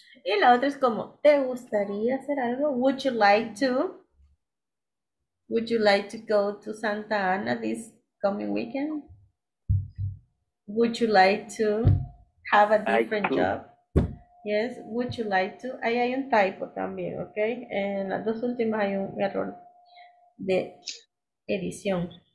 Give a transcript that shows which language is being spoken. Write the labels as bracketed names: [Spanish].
[Spanish] Y la otra es como, ¿te gustaría hacer algo? [English] Would you like to? Would you like to go to Santa Ana this coming weekend? Would you like to have a different job? Yes, would you like to? [Spanish] Ahí hay un typo también, ¿ok? En las dos últimas hay un error de edición.